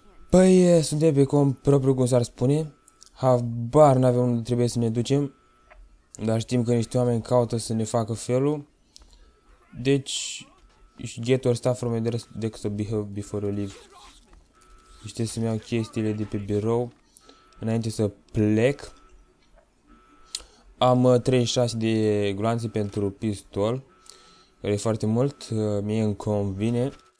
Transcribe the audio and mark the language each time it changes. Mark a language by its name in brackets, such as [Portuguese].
[Romanian] Păi, suntem pe cont propriu, cum s-ar spune. Habar n-avem unde trebuie să ne ducem. Dar știm că niște oameni caută să ne facă felul. Deci... [English] Și get your stuff from your desktop before you leave. [Romanian] Deci trebuie să-mi iau chestiile de pe birou înainte să plec. Am 36 de gloanțe pentru pistol, care e foarte mult, mie îmi convine.